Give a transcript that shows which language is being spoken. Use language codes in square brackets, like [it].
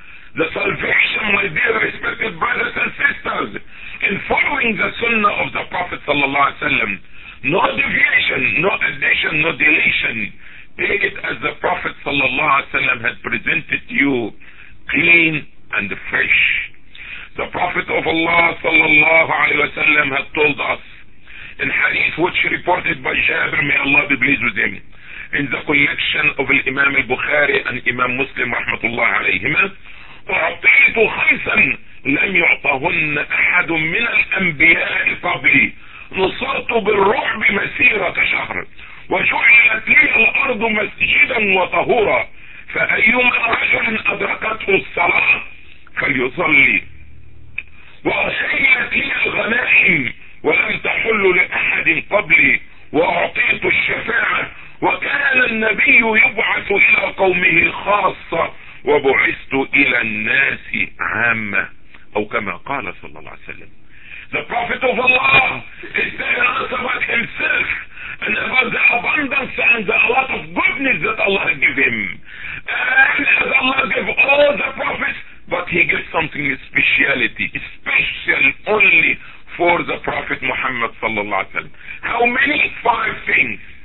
[en] The salvation, my dear respected brothers and sisters, in following the sunnah of the Prophet sallallahu alaihi wasallam, no deviation, no addition, no deletion. Take it as the Prophet sallallahu alaihi wasallam had presented you, clean and fresh. The Prophet of Allah sallallahu alaihi wasallam had told us in hadith which reported by Jabir, may Allah be pleased with him, in the collection of Imam al-Bukhari and Imam Muslim rahmatullah alayhima, [ar] أُعْطِيتُ خَيْسًا لَمْ يُعْطَهُنَّ أَحَدٌ مِّنَ الْأَنْبِيَاءِ قَبْلِي نُصَرْتُ بِالرُّعْبِ مَسِيرَةَ شَهْرٍ وَجُعِلَتْ لِي الْأَرْضُ مَسْجِدًا وَطَهُورًا فَأَيُّمَا رَجُلٍ أَدْرَكَتْهُ الصَّلَاةُ فَلْيُصَلِّي وَأُحِلَّتْ لِي الْغَنَائِمُ وَلَمْ تَحُلُّ لِأَحَدٍ قَبْلِي وَأُعْطِيتُ الشَّفَاعَةَ وَكَانَ النَّبِيُّ يُبْعَثُ إِلَى قَوْمِهِ خَاصَّةً وَبُعِثْتُ إِلَى النَّاسِ عَامَّةً أو كما قال صلى الله عليه وسلم. [en] The Prophet of Allah is telling us about himself and about the abundance and the lot of goodness that Allah gave him. And as Allah gave all the prophets, but he gives something speciality, special only for the Prophet Muhammad صلى الله عليه وسلم. How many? Five things.